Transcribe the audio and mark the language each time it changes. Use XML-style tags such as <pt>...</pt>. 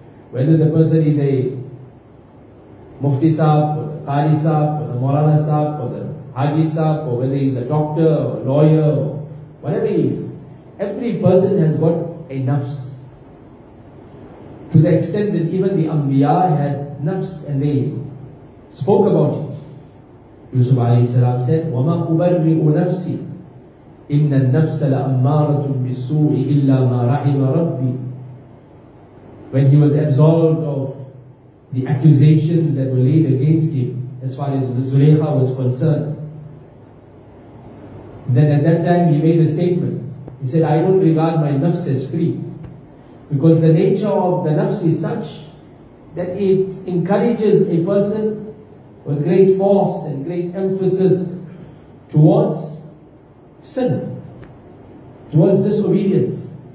<en>Whether the person is a mufti sahab, or the qari sahab, or the maulana sahab, or the haji sahab, or whether he's a doctor, or a lawyer, or whatever he is, every person has got a nafs. To the extent that even the Anbiya had nafs and they spoke about it.</en> <ar>Yusuf alayhi salam said, وَمَا أُبَرِّئُ نَفْسِي إِنَّ النَّفْسَ لَأَمَّارَةٌ بِالسُّوءِ إِلَّا مَا رَحِمَ رَبِّي.</ar> <en>When he was absolved of the accusations that were laid against him as far as Zulaykha was concerned, then at that time he made a statement. He said, I don't regard my nafs as free. Because the nature of the nafs is such that it encourages a person with great force and great emphasis towards sin, towards disobedience.</en>